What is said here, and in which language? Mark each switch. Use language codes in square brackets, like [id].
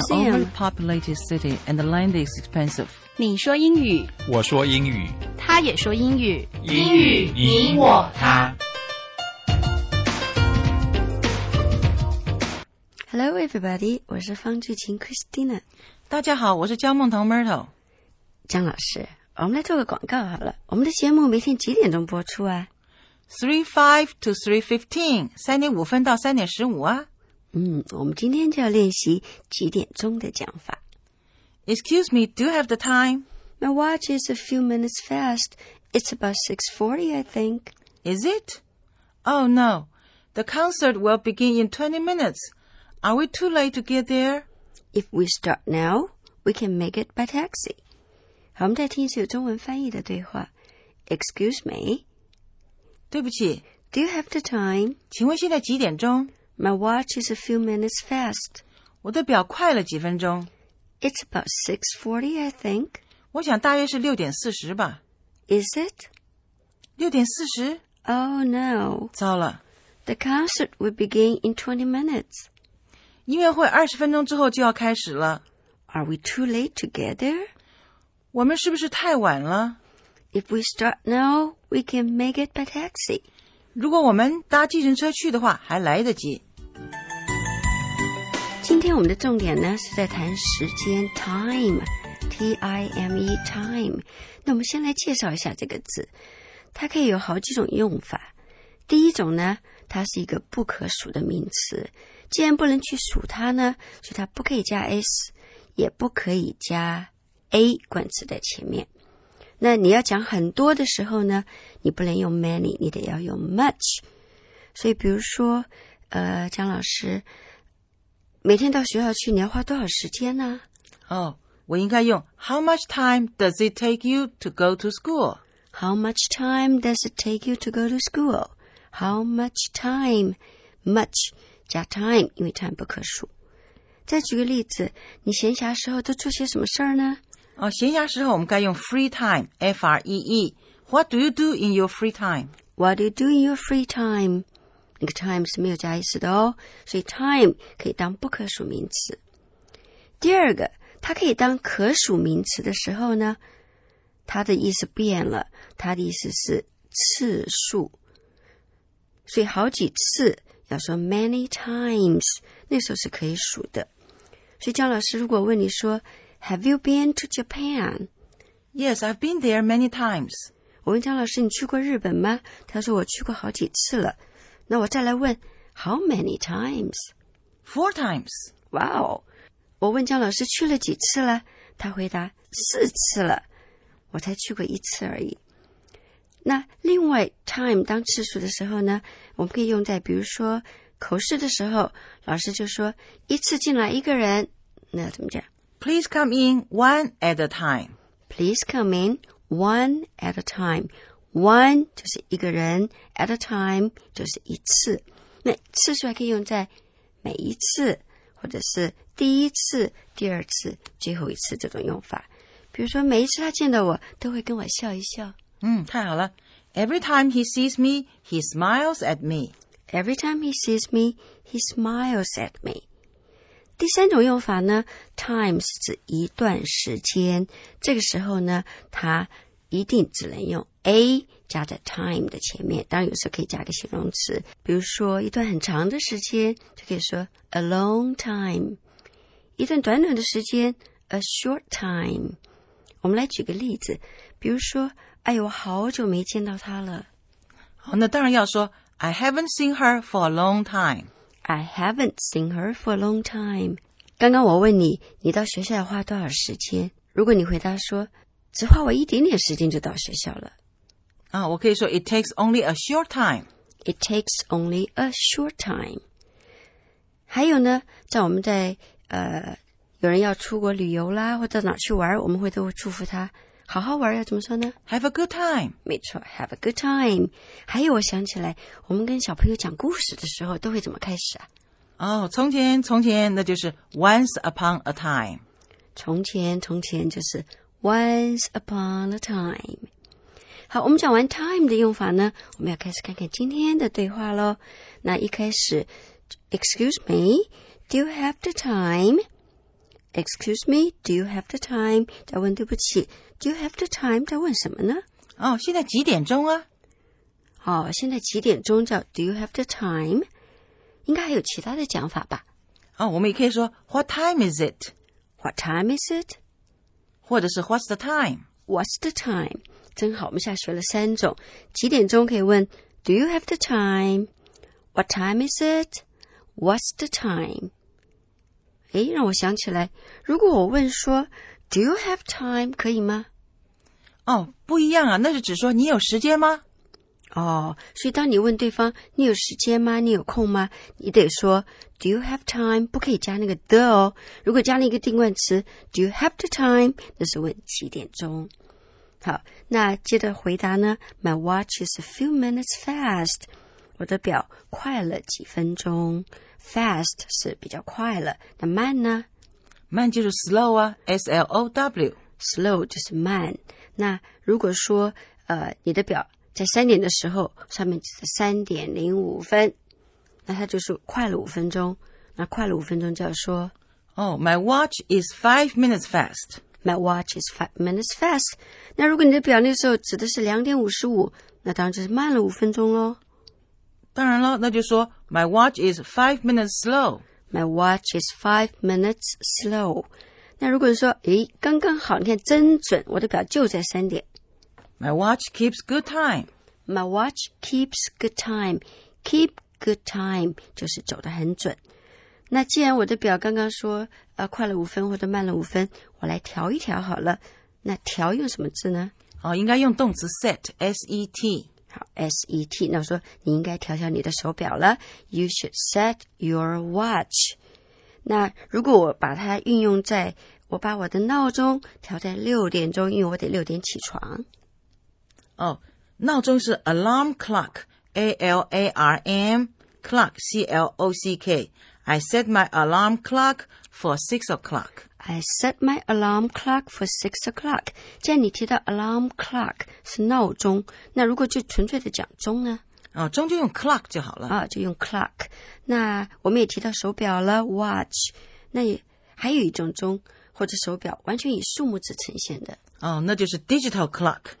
[en] Taipei is an overpopulated city and the land is expensive. [zh] 你说英语，我说英语，他也说英语，英语你我他。 [en] Hello everybody, [zh] 我是方志琴 Christina。大家好，我是江梦彤 Myrtle。江老师，我们来做个广告好了。我们的节目每天几点钟播出啊？ 3:05 to 3:15，3:05到3:15啊。嗯，我们今天就要练习几点钟的讲法。 [en] Excuse me, do you have the time? My watch is a few minutes fast. It's about 6:40, I think. Is it? Oh no, the concert will begin in 20 minutes. Are we too late to get there? If we start now, we can make it by taxi. [zh] 好，我们再听一次有中文翻译的对话。 [en] Excuse me. [zh] 对不起。 [en] Do you have the time? [zh] 请问现在几点钟？ [en] My watch is a few minutes fast. [zh] 我的表快了几分钟。 [en] It's about 6:40, I think. [zh] 我想大约是6:40吧。 [en] Is it? 6:40? Oh, no. [zh] 糟了。 [en] The concert will begin in 20 minutes. [zh] 音乐会20分钟之后就要开始了。 [en] Are we too late to get there? [zh] 我们是不是太晚了? [en] If we start now, we can make it by taxi. [zh] 如果我们搭计程车去的话,还来得及。今天我们的重点呢,是在谈时间 time, T-I-M-E, time. 那我们先来介绍一下这个字。它可以有好几种用法。第一种呢,它是一个不可数的名词。既然不能去数它呢,所以它不可以加 s, 也不可以加A 冠词在前面，那你要讲很多的时候呢，你不能用 many， 你得要用 much。所以，比如说，江老师，每天到学校去，你要花多少时间呢？哦，我应该用 [en] How much time does it take you to go to school? How much time does it take you to go to school? How much time? [zh] Much 加 time， 因为 time 不可数。再举个例子，你闲暇时候都做些什么事儿呢？哦，闲暇时候我们该用 [en] free time, [zh] F-R-E-E. [en] What do you do in your free time? What do you do in your free time? [zh] 那个 time 是没有加意思的哦，所以 time 可以当不可数名词。第二个，它可以当可数名词的时候呢，它的意思变了，它的意思是次数。所以好几次，要说 many times, 那时候是可以数的。所以江老师如果问你说 [en] Have you been to Japan? Yes, I've been there many times. [zh] 我问江老师，你去过日本吗？他说我去过好几次了。那我再来问 ， [en] How many times? 4 times. Wow. [zh] 我问江老师去了几次了？他回答4次了。我才去过一次而已。那另外 time 当次数的时候呢，我们可以用在比如说口试的时候，老师就说一次进来一个人，那怎么讲？ [en] Please come in one at a time. Please come in one at a time. [zh] One 就是一个人 , [en] at a time [zh] 就是一次。那次数还可以用在每一次或者是第一次第二次最后一次这种用法。比如说每一次他见到我都会跟我笑一笑。嗯，太好了。 [en] Every time he sees me, he smiles at me. Every time he sees me, he smiles at me. [zh] 第三种用法呢 ,time 是指一段时间。这个时候呢它一定只能用 A 加在 time 的前面。当然有时候可以加个形容词。比如说一段很长的时间就可以说 [en] a long time。 [zh] 一段短短的时间 [en] a short time。 [zh] 我们来举个例子。比如说哎呦我好久没见到她了。哦那当然要说 [en] I haven't seen her for a long time。 I haven't seen her for a long time. [zh] 刚刚我问你，你到学校要花多少时间？如果你回答说，只花我一点点时间就到学校了。啊，我可以说 [en] it takes only a short time. It takes only a short time. [zh] 还有呢，在我们在有人要出国旅游啦，或者哪去玩，我们会都会祝福他，好好玩，要怎么说呢？ [en] Have a good time. [zh] 没错， [en] have a good time. [zh] 还有我想起来，我们跟小朋友讲故事的时候都会怎么开始啊？哦，从前，从前，那就是 [en] once upon a time. [zh] 从前，从前就是 [en] once upon a time. [zh] 好，我们讲完 time 的用法呢，我们要开始看看今天的对话咯。那一开始 [en] ,excuse me, do you have the time? Excuse me, do you have the time? [zh] 再问对不起 [en] ,do you have the time? [zh] 再问什么呢？哦，现在几点钟啊？哦，现在几点钟叫 [en] do you have the time? [zh] 应该还有其他的讲法吧。哦，我们也可以说 [en] what time is it? What time is it? [zh] 或者是 [en] what's the time? What's the time? [zh] 真好，我们现在学了三种。几点钟可以问 [en] ,Do you have the time? What time is it? What's the time? [zh] 诶，让我想起来，如果我问说 , [en] Do you have time? [zh] 可以吗？哦，不一样啊，那是只说你有时间吗？哦，所以当你问对方你有时间吗？你有空吗？你得说 [en] ,Do you have time? [zh] 不可以加那个的哦。如果加了一个定冠词 , [en] Do you have the time? [zh] 那是问几点钟。好，那接着回答呢 [en] ,My watch is a few minutes fast. [zh] 我的表快了几分钟。 Fast 是比较快了，那慢呢？慢就是 slow 啊 ,S-L-O-W。 Slow 就是慢。那如果说你的表在三点的时候上面就是3:05，那它就是快了五分钟。那快了五分钟就要说 [en] ,Oh, my watch is 5 minutes fast. My watch is 5 minutes fast. [zh] 那如果你的表那时候指的是2:55，那当然就是慢了五分钟咯。当然了，那就说 [en] My watch is 5 minutes slow. My watch is 5 minutes slow. [zh] 那如果你说，诶，刚刚好，你看真准，我的表就在三点。 [en] My watch keeps good time. My watch keeps good time. Keep good time [zh] 就是走得很准。那既然我的表刚刚说快了五分或者慢了五分，我来调一调好了。那调用什么字呢？哦，应该用动词 set, S-E-T。好 ,S-E-T, 那我说你应该调调你的手表了。 [en] You should set your watch. [zh] 那如果我把它运用在，我把我的闹钟调在6点钟，因为我得6点起床。哦，闹钟是 alarm clock, A-L-A-R-M, clock, C-L-O-C-K. [en] I set my alarm clock for 6 o'clock. I set my alarm clock for 6 o'clock. [zh] 既然你提到 alarm clock 是闹钟，那如果就纯粹的讲钟呢？哦，钟就用 clock 就好了。啊，就用 clock。那我们也提到手表了 ，watch。那也还有一种钟或者手表，完全以数目字呈现的。哦，那就是 digital clock。